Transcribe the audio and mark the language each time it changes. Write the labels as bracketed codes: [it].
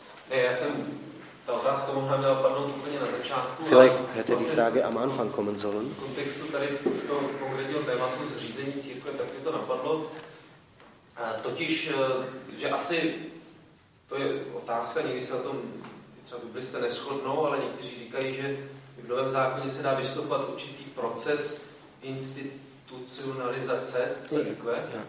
[cs] Já jsem ta otázka mohla měla padnout úplně na začátku. [de] Vielleicht hätte die Frage am Anfang kommen sollen. [cs] V kontextu tady toho konkrétního tématu zřízení církve, tak mi to napadlo. Totiž, že asi to je otázka, někdy se na tom třeba biblisté neschodnou, ale někteří říkají, že v Novém zákoně se dá vystupovat určitý proces institucionalizace církve.